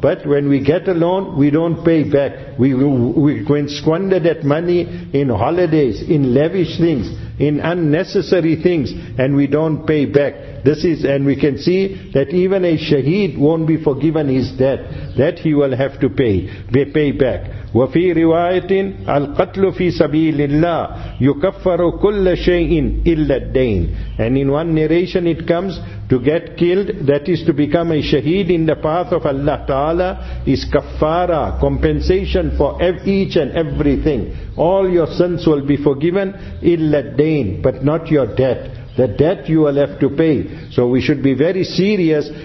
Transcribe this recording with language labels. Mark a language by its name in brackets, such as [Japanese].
[English] But when we get a loan, we don't pay back. We squander that money in holidays, in lavish things, in unnecessary things, and we don't pay back. This is, and we can see that even a shaheed won't be forgiven his debt, that he will have to pay back. [Arabic] وفي رواية القتل في سبيل الله يكفر كل شيء إلا الدين. [English] And in one narration it comes, to get killed, that is to become a shaheed in the path of Allah Ta'ala, is kaffara, compensation for each and everything. All your sins will be forgiven, [Arabic] إلا الدين, [English] but not your debt. The debt you will have to pay. So we should be very serious.